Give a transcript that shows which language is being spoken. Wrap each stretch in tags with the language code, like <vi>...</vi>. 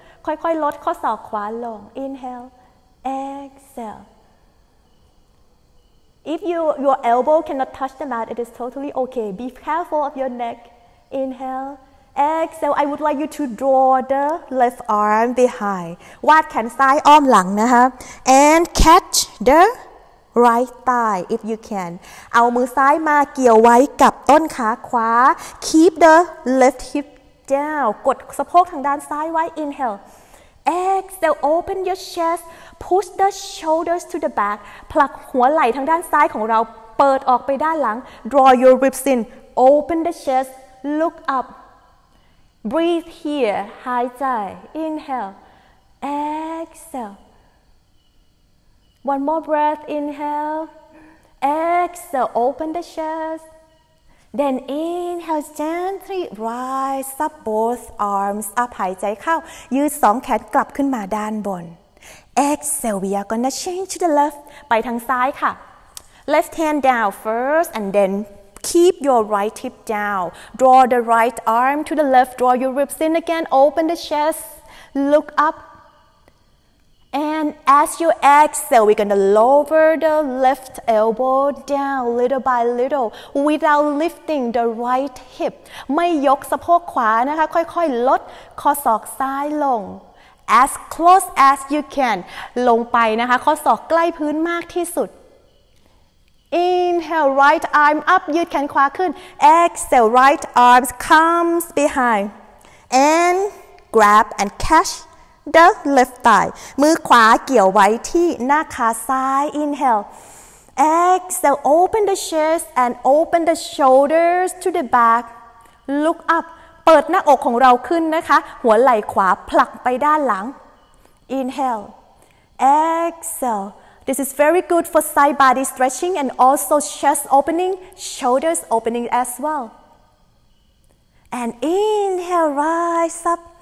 <th>ค่อยๆลดข้อศอกขวาลง,</th> <en>inhale, exhale. If your elbow cannot touch the mat, it is totally okay. Be careful of your neck. Inhale. Exhale. I would like you to draw the left arm behind.</en> <th>วาดแขนซ้ายอ้อมหลังนะคะ</th> <en>And catch the right thigh if you can.</en> <th>เอามือซ้ายมาเกี่ยวไว้กับต้นขาขวา</th> <en>Keep the left hip down.</en> <th>กดสะโพกทางด้านซ้ายไว้</th> <en>Inhale. Exhale, open your chest, push the shoulders to the back.</en> <th>ผลักหัวไหล่ทางด้านซ้ายของเราเปิดออกไปด้านหลัง</th> <en>Draw your ribs in, open the chest, look up. Breathe here,</en> <th>หายใจ</th> <en>Inhale, exhale. One more breath, inhale. Exhale, open the chest. Then inhale, gently rise up both arms up.</en> <th>หายใจเข้ายืดสองแขนกลับขึ้นมาด้านบน</th> <en>Exhale, we are gonna change to the left.</en> <th>ไปทางซ้ายค่ะ</th> <en>Left hand down first and then keep your right hip down. Draw the right arm to the left. Draw your ribs in again. Open the chest. Look up. And as you exhale, we're gonna lower the left elbow down little by little without lifting the right hip.</en> <th>ไม่ยกสะโพกขวานะคะค่อยๆลดข้อศอกซ้ายลง</th> <en>As close as you can.</en> <th>ลงไปนะคะข้อศอกใกล้พื้นมากที่สุด</th> <en>Inhale, right arm up.</en> <th>ยืดแขนขวาขึ้น</th> <en>Exhale, right arms comes behind. And grab and catch. The left thigh.</en> <th>มือขวาเกี่ยวไว้ที่หน้าขาซ้าย</th> <en>Inhale. Exhale. Open the chest and open the shoulders to the back. Look up.</en> <th>เปิดหน้าอกของเราขึ้นนะคะหัวไหล่ขวาผลักไปด้านหลัง</th> <en>Inhale. Exhale. This is very good for side body stretching and also chest opening, shoulders opening as well. And inhale. Rise up.</en>